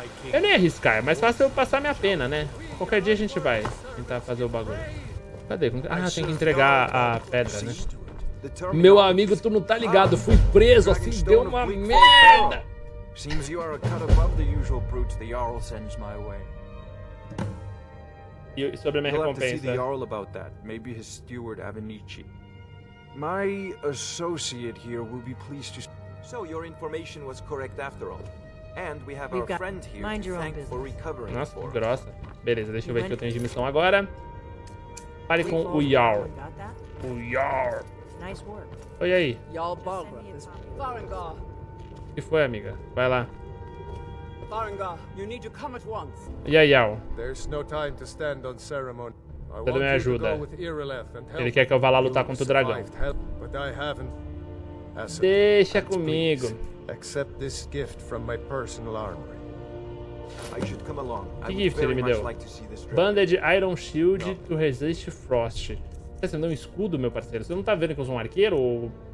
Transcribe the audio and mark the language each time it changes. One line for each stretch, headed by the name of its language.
Portuguese: Eu nem ia arriscar, mas fácil eu passar minha pena, né? Qualquer dia a gente vai tentar fazer o bagulho. Cadê? Ah, tem que entregar a pedra, né? Meu amigo, tu não tá ligado. Fui preso, assim, deu uma merda.
English: Seems you are a cut above the usual brute the Jarl sends my way.
Portuguese: E sobre a minha recompensa.
English: Have to see the Jarl about that. Maybe his steward Avenici. My associate here will be pleased to. So your information was correct after all. And we have our friend here to thank for recovering.
Portuguese: Nossa, que grossa. Beleza, deixa eu ver o que eu tenho de missão agora. Fale com o Jarl. O Jarl.
English: Nice work.
Portuguese: Oi aí. Jarl Balgrath. O que foi, amiga? Vai lá.
English: Farangar, you need to come at once. Yeah, yeah. There's no time to stand on ceremony. I want you to go with Irileth and help.
Portuguese: Ele quer que eu vá lá lutar contra o dragão.
English: But I haven't.
Portuguese: Deixa comigo.
English: Accept this gift from my personal armory. I should come along.
Portuguese: Que gift ele me deu?
English: Banded Iron Shield to resist frost.
Portuguese: Você não deu um escudo, meu parceiro? Você não tá vendo que eu sou um arqueiro ou...